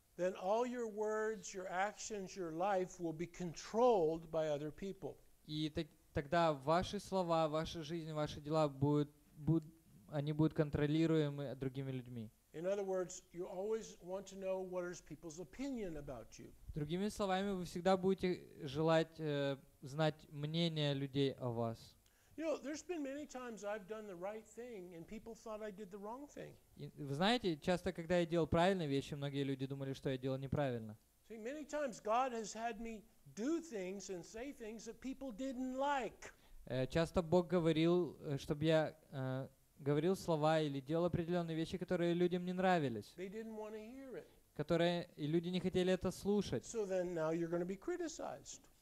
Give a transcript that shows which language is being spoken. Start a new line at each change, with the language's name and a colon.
English: Then all your words, your actions, your life will be controlled by other people.
Russian: И тогда ваши слова, ваша жизнь, ваши дела они будут контролируемы другими людьми.
English: In other words, you always want to know what is people's opinion about you.
Russian: Другими словами, вы всегда будете желать знать мнение людей о вас.
English: You know, there's been many times I've done the right thing and people thought I did the wrong thing.
Russian: Вы знаете, часто когда я делал правильные вещи, многие люди думали, что я делал неправильно.
English: See, many times God has had me do things and say things that people didn't like.
Russian: Часто Бог говорил, чтобы я говорил слова или делал определенные вещи, которые людям не нравились.
English: They didn't want to hear it.
Russian: Которые и люди не хотели это слушать.
English: So then now you're going to be criticized.